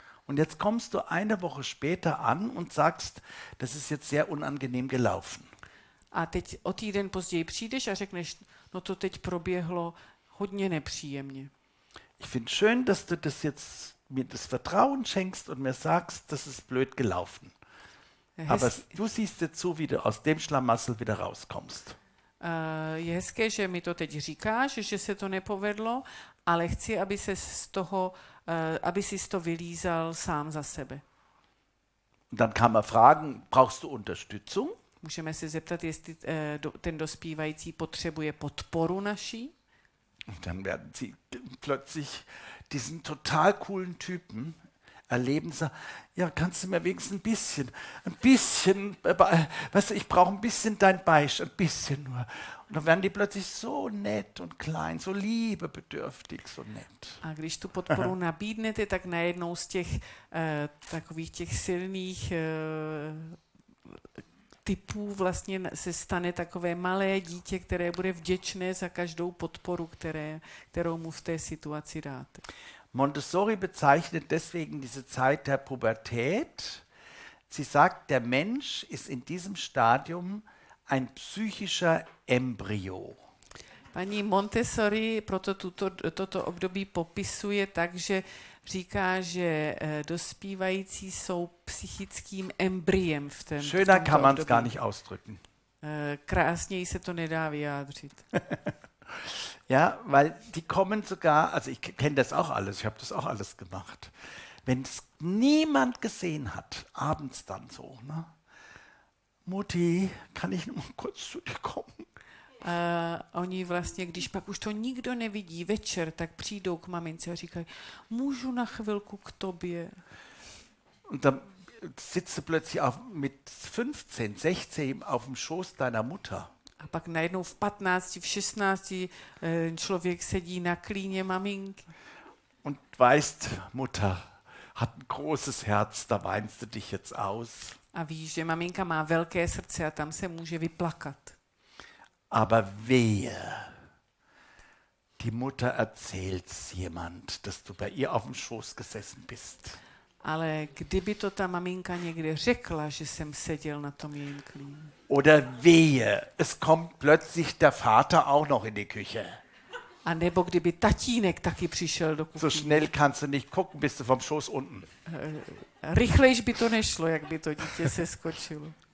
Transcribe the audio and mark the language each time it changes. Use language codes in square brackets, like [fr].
[de] Und jetzt kommst du eine Woche später an und sagst, das ist jetzt sehr unangenehm gelaufen. [cs] A teď o týden později přijdeš a řekneš, no to teď proběhlo hodně nepříjemně. [de] Ich finde schön, dass du das jetzt mir das Vertrauen schenkst und mir sagst, das ist blöd gelaufen. Aber du siehst jetzt so, wie du aus dem Schlamassel wieder rauskommst. [cs] Je hezké, že mi to teď říkáš, že se to nepovedlo, ale chci, aby se z toho aby si to vylízal sám za sebe. [de] Dann kann man fragen, brauchst du Unterstützung? [cs] Můžeme se zeptat, jestli ten dospívající potřebuje podporu naší? [de] Und dann werden sie plötzlich diesen total coolen Typen erleben, sagen, ja, kannst du mir wenigstens ein bisschen, weißt du, ich brauche ein bisschen dein Beistand, ein bisschen nur. Und dann werden die plötzlich so nett und klein, so liebebedürftig, so nett. [cs] A když tu podporu nabídnete, tak najednou z těch takových těch silných typů vlastně se stane takové malé dítě, které bude vděčné za každou podporu, kterou mu v té situaci dáte. [de] Montessori bezeichnet deswegen diese Zeit der Pubertät. Sie sagt, der Mensch ist in diesem Stadium ein psychischer Embryo. [cs] Paní Montessori proto toto období popisuje tak, že říká, že dospívající jsou psychickým embryem v tom. [de] Schöner kann man es gar nicht ausdrücken. [cs] Krásněji se to nedá vyjádřit. [de] Ja, weil die kommen sogar, also ich kenne das auch alles, ich habe das auch alles gemacht. Wenn es niemand gesehen hat, abends dann so, ne? Mutti, kann ich nur kurz zu dir kommen? [cs] Oni vlastně, když pak už to nikdo nevidí večer, tak přijdou k mamince a říkají, můžu na chvilku k tobě? [de] Und dann sitzt du plötzlich mit 15, 16 auf dem Schoß deiner Mutter. [cs] A pak najednou v 15, v 16 člověk sedí na klíně maminky. [de] Und weißt, Mutter hat ein großes Herz, da weinst du dich jetzt aus. [cs] A víš, že maminka má velké srdce a tam se může vyplakat. [de] Aber wehe, die Mutter erzählt jemand, dass du bei ihr auf dem Schoß gesessen bist. [cs] Ale kdyby to ta maminka někde řekla, že jsem seděl na tom jejím klíně. [de] Oder wehe, es kommt plötzlich der Vater auch noch in die Küche. [cs] A nebo kdyby tatínek taky přišel do kuchyně. [de] So schnell kannst du nicht gucken, bist du vom Schoß unten. [cs] Rychlejš by to nešlo, jak by to dítě seskočilo.